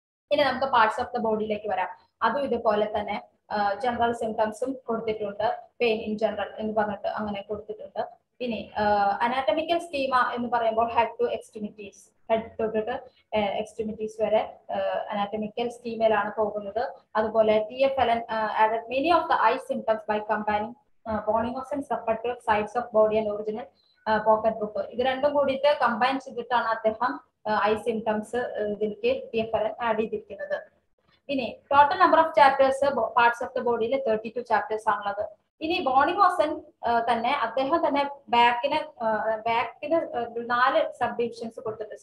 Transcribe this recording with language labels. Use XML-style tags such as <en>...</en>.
<ml>ഇനി നമുക്ക് parts of the ബോഡിയിലേക്ക് വരാം. അതും ഇതുപോലെ തന്നെ ജനറൽ സിംറ്റംസും കൊടുത്തിട്ടുണ്ട്, പെയിൻ ഇൻ ജനറൽ എന്ന് പറഞ്ഞിട്ട് അങ്ങനെ കൊടുത്തിട്ടുണ്ട്. ഇനി അനാറ്റമിക്കൽ സ്കീമ എന്ന് പറയുമ്പോൾ ഹെഡ് ടു എക്സ്ട്രിമിറ്റീസ്, ഹെഡ് തൊട്ടിട്ട് എക്സ്ട്രിമിറ്റീസ് വരെ അനാറ്റമിക്കൽ സ്കീമയിലാണ് പോകുന്നത്.</ml> <en>അതുപോലെ TFLN added many of the eye symptoms by comparing Bonnyhausen's repertory, sides of body and original pocket book.</en> <ml>ഇത് രണ്ടും കൂടിയിട്ട് കമ്പൈൻ ചെയ്തിട്ടാണ് അദ്ദേഹം ഐ സിംറ്റംസ് ഇതിലേക്ക് TFLN ആഡ് ചെയ്തിരിക്കുന്നത്. ഇനി total number of chapters parts of the ബോഡിയിൽ 32 ചാപ്റ്റേഴ്സ് ആണുള്ളത്. ഇനി ബോണിങ്ഹോസൻ തന്നെ അദ്ദേഹം തന്നെ ബാക്കിന് ബാക്കിന് 4 സബ് ഡിവിഷൻസ് കൊടുത്തിട്ടുണ്ട്.</ml>